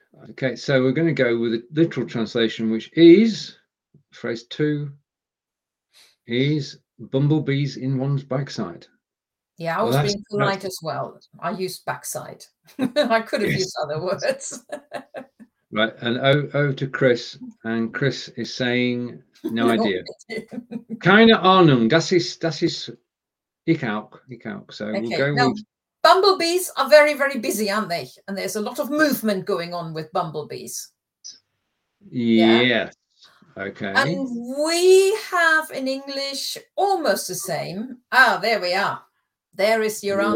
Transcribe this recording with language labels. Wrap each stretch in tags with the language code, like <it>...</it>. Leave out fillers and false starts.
<en>Okay, so we're going to go with a literal translation, which is, phrase two, is bumblebees in one's backside. Yeah, I was being polite as well. I used backside. I could have used other words. Right, and over to Chris. And Chris is saying, no idea.</en> <de>Keine Ahnung, das ist ich auch.</de> <en>So okay. We'll go now, with... Bumblebees are very, very busy, aren't they? And there's a lot of movement going on with bumblebees. Yeah. Yes. Okay. And we have in English almost the same. Ah, there we are. There is your answer.</en>